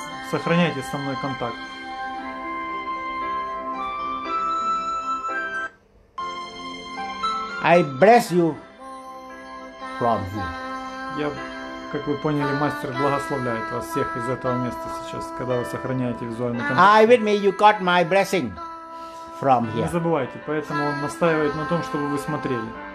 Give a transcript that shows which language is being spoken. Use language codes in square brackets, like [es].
[ru] Сохраняйте со мной контакт. [en] I bless you from here. [ru] Я, как вы поняли, мастер благословляет вас всех из этого места сейчас, когда вы сохраняете визуальный контакт. [en] I with me, you got my blessing from here. [ru] Не забывайте, поэтому он настаивает на том, чтобы вы смотрели.